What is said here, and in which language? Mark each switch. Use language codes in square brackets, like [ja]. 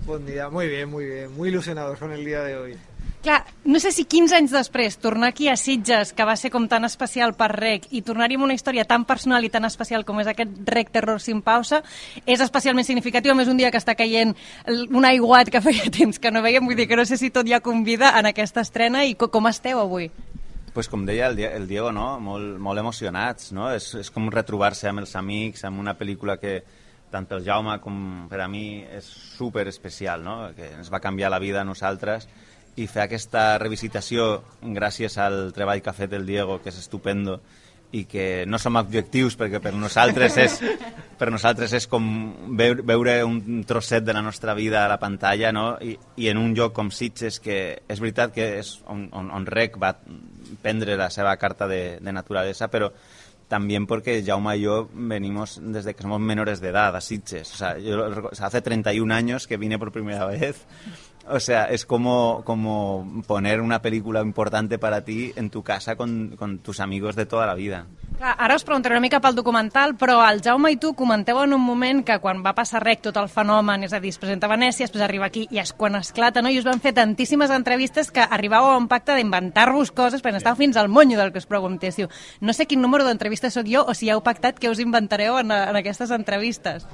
[ca] Bon dia, [es] muy bien, muy bien. Muy ilusionados con el día de hoy. [ca] Clar, no sé si 15 anys després, tornar aquí a Sitges, que va ser com tan especial per REC, i tornar-hi amb una història tan personal i tan especial com és aquest REC Terror sin pausa, és especialment significatiu. A més, un dia que està caient un aiguat que feia temps que no veiem, vull dir que no sé si tot hi ha convida en aquesta estrena, i com esteu avui? Pues com deia el Diego, no? molt emocionats, no? És com retrobar-se amb els amics, amb una pel·lícula que tant pel Jaume com per a mi és super especial, no? Que ens va canviar la vida a nosaltres, i fer aquesta revisitació gràcies al treball que ha fet el Diego, que és estupendo, i que no som objectius, perquè per nosaltres és com veure un trosset de la nostra vida a la pantalla, no? I en un lloc com Sitges, que és veritat que és on REC va prendre la seva carta de naturalesa, però [es] también porque Jaume y yo venimos desde que somos menores de edad a Sitges. O sea, hace 31 años que vine por primera vez. O sea, es como poner una película importante para ti en tu casa con tus amigos de toda la vida. [ca] Clar, ara us preguntaré una mica pel documental, però el Jaume i tu comenteu en un moment que quan va passar REC tot el fenomen, és a dir, es presenta a Venècia, després arriba aquí i és quan esclata, no? I us van fer tantíssimes entrevistes que arribàveu a un pacte d'inventar-vos coses, perquè estava fins al monyo del que us preguntéssiu. No sé quin número d'entrevistes sóc jo o si heu pactat que us inventareu en aquestes entrevistes.